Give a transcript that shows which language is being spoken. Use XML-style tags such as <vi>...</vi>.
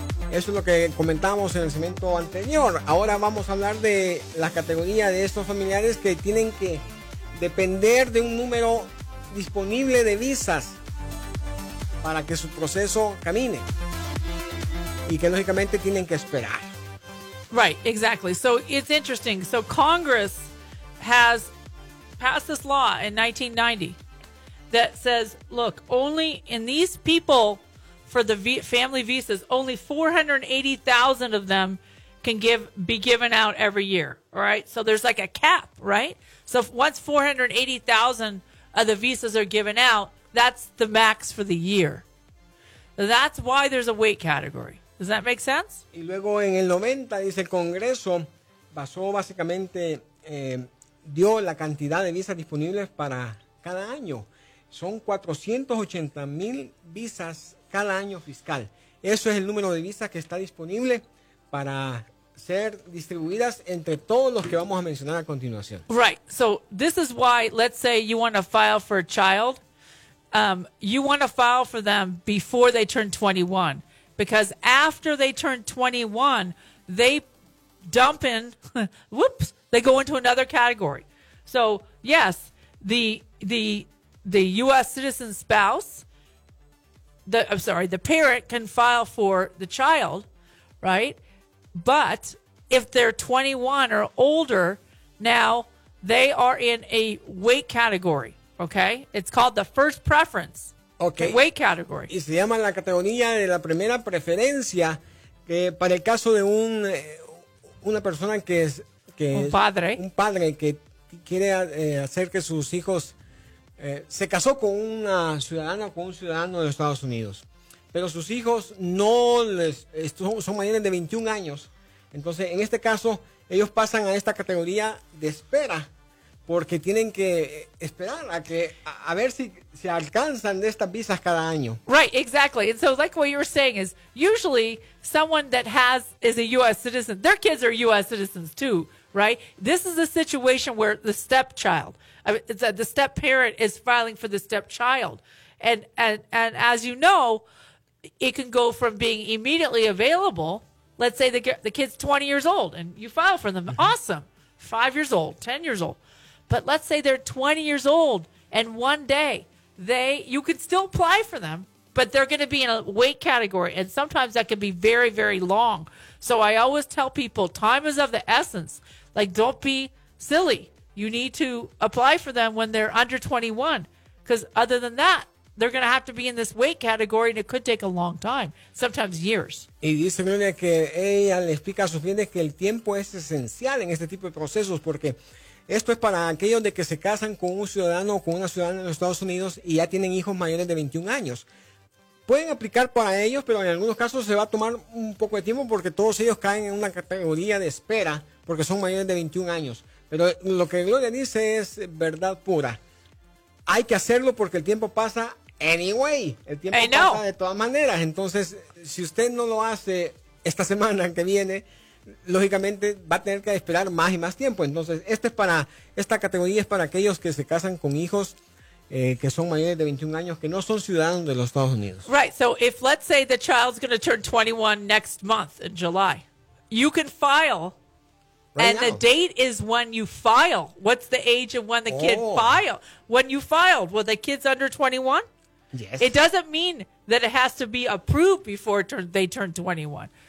<es>Eso es lo que comentábamos en el segmento anterior. Ahora vamos a hablar de la categoría de estos familiares que tienen que depender de un número disponible de visas para que su proceso camine y que lógicamente tienen que esperar.</es> <en>Right, exactly. So it's interesting. So Congress has passed this law in 1990 that says, look, only in these people for the family visas, only 480,000 of them can be given out every year, all right? So there's like a cap, right? So once 480,000 of the visas are given out, that's the max for the year. That's why there's a weight category. Does that make sense?</en> <es>Y luego en el 90, dice el Congreso, basó básicamente, dio la cantidad de visas disponibles para cada año. Son 480,000 visas cada año fiscal. Eso es el número de visas que está disponible para ser distribuidas entre todos los que vamos a mencionar a continuación.</es> <en>Right. So this is why, let's say you want to file for a child. You want to file for them before they turn 21. Because after they turn 21, they dump in, whoops, they go into another category. So, yes, the U.S. citizen spouse, the parent can file for the child, right? But if they're 21 or older, now they are in a weight category, okay? It's called the first preference. Okay. The weight category.</en> <es>Y se llama la categoría de la primera preferencia, que para el caso de una persona que es un padre que quiere hacer que sus hijos se casó con una ciudadana o con un ciudadano de Estados Unidos, pero sus hijos no les son mayores de 21 años. Entonces, en este caso, ellos pasan a esta categoría de espera. Porque tienen que esperar a ver si se alcanzan de estas visas cada año.</es> <en>Right, exactly. And so, like what you were saying is, usually someone that is a U.S. citizen, their kids are U.S. citizens too, right? This is a situation where the stepchild, the step parent is filing for the stepchild. And as you know, it can go from being immediately available. Let's say the kid's 20 years old and you file for them. Mm-hmm. Awesome. 5 years old, 10 years old. But let's say they're 20 years old and one day you could still apply for them, but they're going to be in a wait category. And sometimes that can be very, very long. So I always tell people time is of the essence. Like, don't be silly. You need to apply for them when they're under 21. Because other than that, they're going to have to be in this wait category and it could take a long time, sometimes years.</en> <es>Y dice Gloria que ella le explica a sus clientes que el tiempo es esencial en este tipo de procesos porque esto es para aquellos de que se casan con un ciudadano o con una ciudadana de los Estados Unidos y ya tienen hijos mayores de 21 años. Pueden aplicar para ellos, pero en algunos casos se va a tomar un poco de tiempo porque todos ellos caen en una categoría de espera porque son mayores de 21 años. Pero lo que Gloria dice es verdad pura. Hay que hacerlo porque el tiempo pasa anyway. El tiempo pasa de todas maneras. Entonces, si usted no lo hace esta semana que viene, lógicamente va a tener que esperar más y más tiempo. Entonces, esta categoría es para aquellos que se casan con hijos que son mayores de 21 años, que no son ciudadanos de los Estados Unidos.</es> <en>Right. So, if let's say the child's going to turn 21 next month in July, you can file. Right and now. The date is when you file. What's the age of when the kid filed? When you filed. Well, the kid's under 21? Yes. It doesn't mean that it has to be approved before they turn 21.</en>